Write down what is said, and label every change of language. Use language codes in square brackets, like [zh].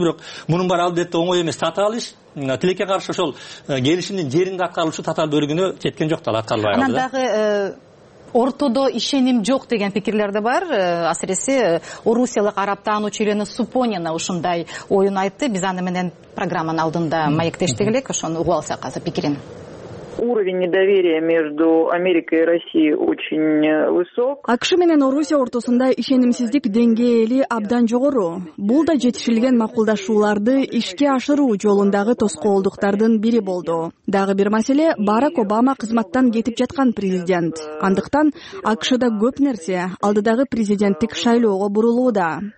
[ky] Бирок мунун баары албетте оңой эмес, татаал иш. Тилекке каршы ошол келишимдин жеринде аткарылышы татаал бөлүгүнө жеткен жок да, ал аткарылбай калды. Анан дагы ортодо ишеним жок деген пикирлер да бар. Асыресе орусиялык араб таануучу Елена Супонина ушундай оюн айтты. Биз аны менен программанын алдында маектештик элек, ошону угуп алсак азыр пикирин. [ru] Уровень недоверия между Америкой и Россией очень высок. [ky] АКШ менен Орусия ортосунда ишенимсиздик деңгээли абдан жогору. Бул да жетишилген макулдашууларды ишке ашыруу жолундагы тоскоолдуктардын бири болду. Дагы бир маселе Барак Обама кызматтан кетип жаткан президент. Андыктан АКШда көп нерсе алдыдагы президенттик шайлоого бурулууда.